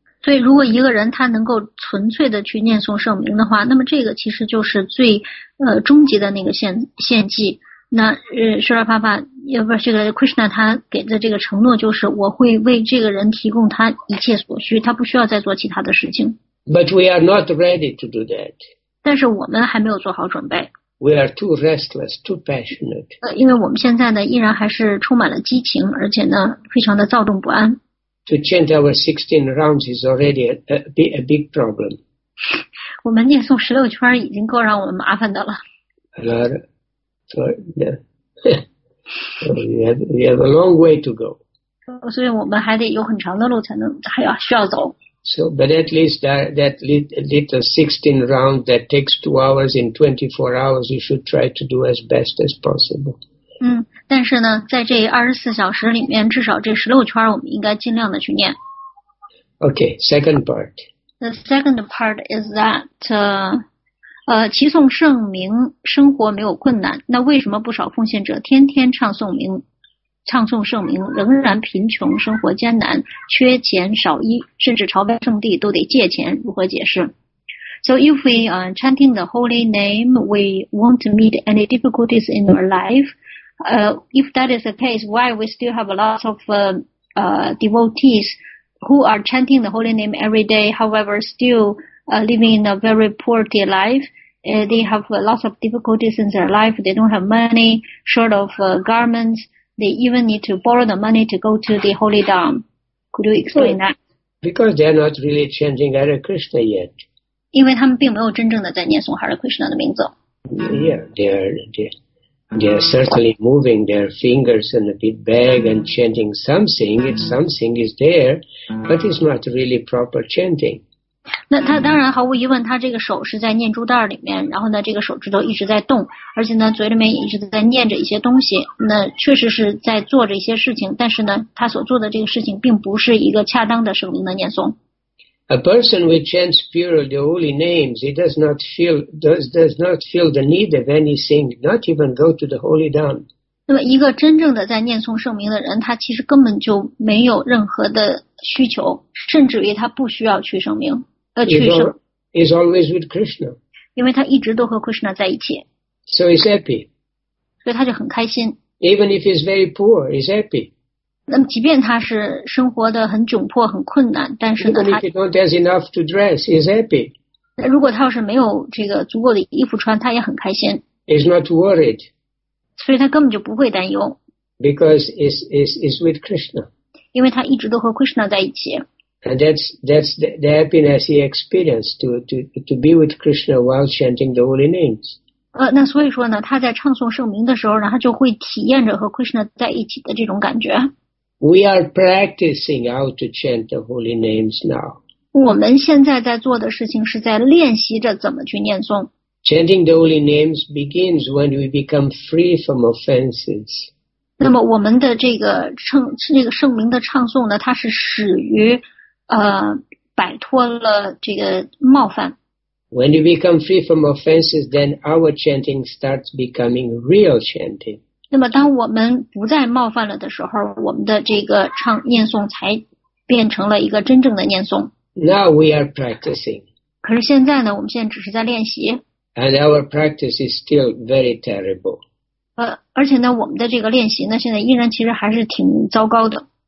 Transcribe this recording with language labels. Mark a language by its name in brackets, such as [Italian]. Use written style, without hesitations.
[Chinese] 所以，如果一个人他能够纯粹的去念诵圣名的话，那么这个其实就是最终极的那个献祭。那Srila Prabhupada，不是这个Krishna，他给的这个承诺就是我会为这个人提供他一切所需，他不需要再做其他的事情。 [English] But we are not ready to do that. [Chinese] 但是我们还没有做好准备。 [English] We are too restless, too passionate. [Chinese] 因为我们现在呢，依然还是充满了激情，而且呢，非常的躁动不安。 [English] To chant our 16 rounds is already a big problem. [Chinese] 我们念诵十六圈已经够让我们麻烦的了。 [English] We have a long way to go. [Chinese] 所以我们还得有很长的路才能，需要走。 [English] So, but at least that little 16 round that takes 2 hours in 24 hours, you should try to do as best as possible. [Chinese] 但是呢，在这24小时里面，至少这16圈我们应该尽量的去念。 [English] Okay, second part. The second part is that, [Chinese] 齐颂圣名，生活没有困难。那为什么不少奉献者天天唱诵圣名，仍然贫穷，生活艰难，缺钱少衣，甚至朝拜圣地都得借钱，如何解释？ [English] So if we chanting the holy name, we won't meet any difficulties in our life. If that is the case, why we still have a lot of devotees who are chanting the holy name every day, however still living in a very poor life? They have lots of difficulties in their life. They don't have money, short of garments. They even need to borrow the money to go to the holy dharma. Could you explain that? Because they are not really chanting Hare Krishna yet. [Chinese] 因为他们并没有真正的在念诵 Hare Krishna 的名字。 [English] Yeah, they are certainly moving their fingers and a bit bag and chanting something. If something is there, but it's not really proper chanting. [Chinese] 那他当然毫无疑问，他这个手是在念珠袋里面，然后呢，这个手指头一直在动，而且呢，嘴里面一直在念着一些东西。那确实是在做着一些事情，但是呢，他所做的这个事情并不是一个恰当的圣名的念诵。 [English] A person who chants purely the holy names, he does not feel the need of anything, not even go to the holy dharma. [Chinese] 那么，一个真正的在念诵圣名的人，他其实根本就没有任何的需求，甚至于他不需要去圣名。 [English] He's always with Krishna. [Chinese] 因为他一直都和 Krishna 在一起。 [English] So he's happy. [Chinese] 所以他就很开心。 [English] Even if he's very poor, he's happy. [Chinese] 那么即便他是生活的很窘迫、很困难，但是呢， [English] Even if he don't have enough to dress, he's happy. [Chinese] 如果他要是没有这个足够的衣服穿，他也很开心。 [English] He's not worried. [Chinese] 所以他根本就不会担忧。 [English] Because he's with Krishna. [Chinese] 因为他一直都和 Krishna 在一起。 [English] And that's the happiness he experienced to be with Krishna while chanting the holy names. [Chinese] 那所以说呢，他在唱诵圣名的时候呢，他就会体验着和 Krishna 在一起的这种感觉。 [English] We are practicing how to chant the holy names now. [Chinese] 我们现在在做的事情是在练习着怎么去念诵。 [English] Chanting the holy names begins when we become free from offenses. [Chinese] 那么我们的这个圣名的唱诵呢，它是始于摆脱了这个冒犯。 [English] When you become free from offenses, then our chanting starts becoming real chanting. [Chinese] 那么当我们不再冒犯了的时候，我们的这个念诵才变成了一个真正的念诵。 [English] Now we are practicing. [Chinese] 可是现在呢，我们现在只是在练习。 [English] And our practice is still very terrible. [Chinese] 而且呢，我们的这个练习呢，现在依然其实还是挺糟糕的。